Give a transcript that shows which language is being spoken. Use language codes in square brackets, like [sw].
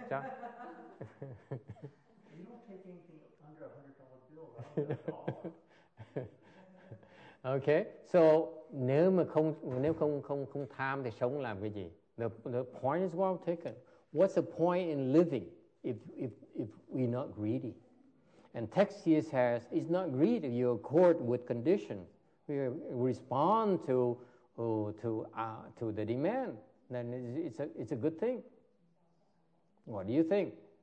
[en] You don't take anything under $100 bill at all. [vi] Okay, so nếu mà không tham thì sống làm cái gì? [en] The point is well taken. What's the point in living if we're not greedy? And text here says it's not greed if you accord with condition. We respond to the demand. Then it's a good thing. What do you think?